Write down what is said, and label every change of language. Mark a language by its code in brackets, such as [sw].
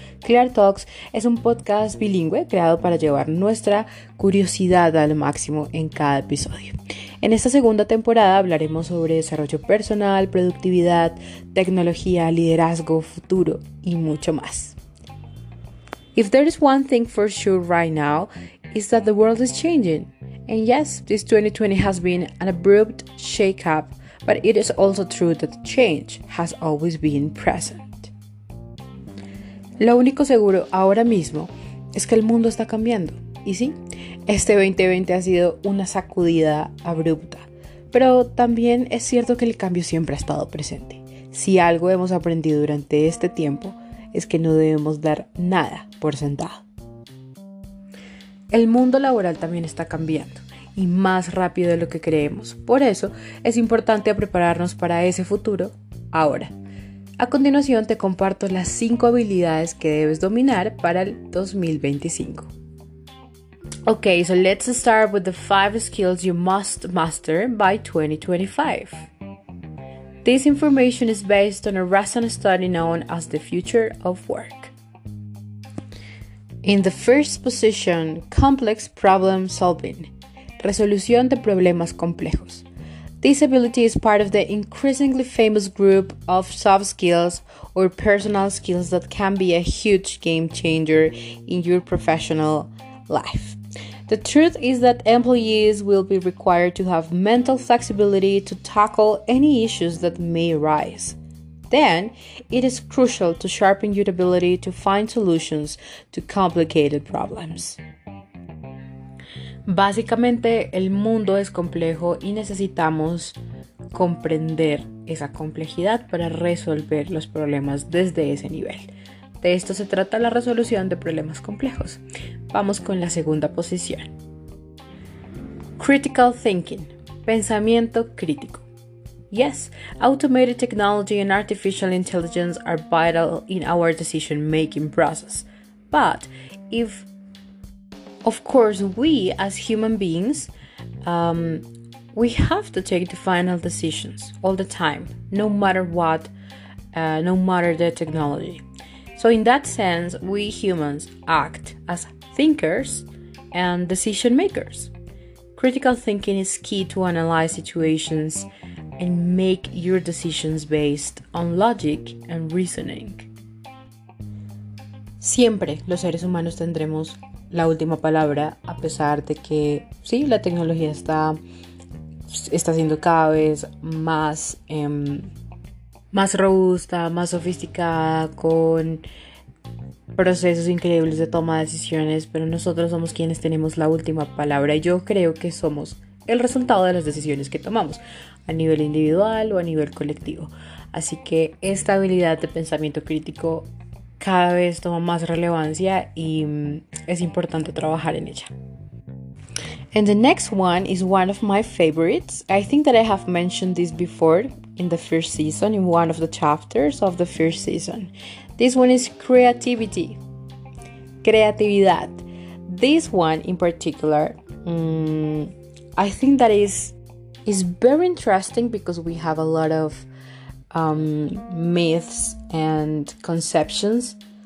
[es] Clear Talks es un podcast bilingüe creado para llevar nuestra curiosidad al máximo en cada episodio. En esta segunda temporada hablaremos sobre desarrollo personal, productividad, tecnología, liderazgo, futuro y mucho más. [en] If there is one thing for sure right now, is that the world is changing. And yes, this 2020 has been an abrupt shakeup, but it is also true that change has always been present. [es] Lo único seguro ahora mismo es que el mundo está cambiando. Y sí, este 2020 ha sido una sacudida abrupta. Pero también es cierto que el cambio siempre ha estado presente. Si algo hemos aprendido durante este tiempo, es que no debemos dar nada por sentado. El mundo laboral también está cambiando, y más rápido de lo que creemos. Por eso, es importante prepararnos para ese futuro ahora. A continuación, te comparto las 5 habilidades que debes dominar para el 2025. [en] Ok, so let's start with the 5 skills you must master by 2025. This information is based on a recent study known as the Future of Work. In the first position, complex problem solving. [es] Resolución de problemas complejos. [en] This ability is part of the increasingly famous group of soft skills or personal skills that can be a huge game changer in your professional life. The truth is that employees will be required to have mental flexibility to tackle any issues that may arise. Then, it is crucial to sharpen your ability to find solutions to complicated problems. [es] Básicamente, el mundo es complejo y necesitamos comprender esa complejidad para resolver los problemas desde ese nivel. De esto se trata la resolución de problemas complejos. Vamos con la segunda posición. [en] Critical thinking. [es] Pensamiento crítico. [en] Yes, automated technology and artificial intelligence are vital in our decision-making process. But if, of course, we as human beings, we have to take the final decisions all the time, no matter what, no matter the technology. So in that sense, we humans act as thinkers and decision makers. Critical thinking is key to analyze situations and make your decisions based on logic and reasoning. [es] Siempre los seres humanos tendremos la última palabra, a pesar de que, sí, la tecnología está siendo cada vez más más robusta, más sofisticada, con procesos increíbles de toma de decisiones, pero nosotros somos quienes tenemos la última palabra y yo creo que somos el resultado de las decisiones que tomamos a nivel individual o a nivel colectivo. Así que esta habilidad de pensamiento crítico cada vez toma más relevancia y es importante trabajar en ella. [en] And the next one is one of my favorites. I think that I have mentioned this before in the first season, in one of the chapters of the first season. This one is creativity. Creatividad. This one in particular, I think that is very interesting because we have a lot of myths and conceptions.